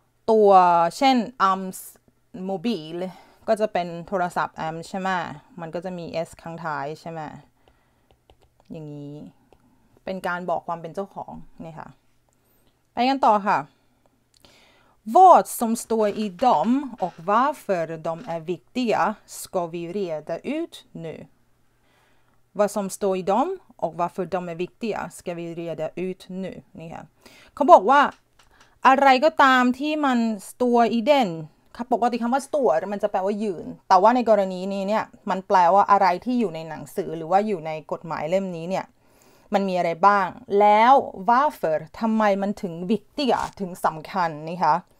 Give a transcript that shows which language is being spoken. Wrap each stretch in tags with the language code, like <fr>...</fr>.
<th>ตัวเช่น</th> <en>arms mobile</en> <th>ก็จะเป็นโทรศัพท์ arm ใช่ไหมมันก็จะมี S ข้างท้ายใช่ไหมอย่างนี้เป็นการบอกความเป็นเจ้าของนี่ค่ะไปกันต่อค่ะ</th> <sv>Vad som står i dem och varför de är viktiga ska vi reda ut nu. Vad som står i dem och varför de är viktiga ska vi reda ut nu.</sv> <th>นี่ค่ะเขาบอกว่าอะไรก็ตามที่มันสตัวอีเดนค่ะปกติคำว่าสตัวมันจะแปลว่ายืนแต่ว่าในกรณีนี้เนี่ยมันแปลว่าอะไรที่อยู่ในหนังสือหรือว่าอยู่ในกฎหมายเล่มนี้เนี่ยมันมีอะไรบ้างแล้ว varför ทำไมมันถึง viktiga ถึงสำคัญนี่คะ</th>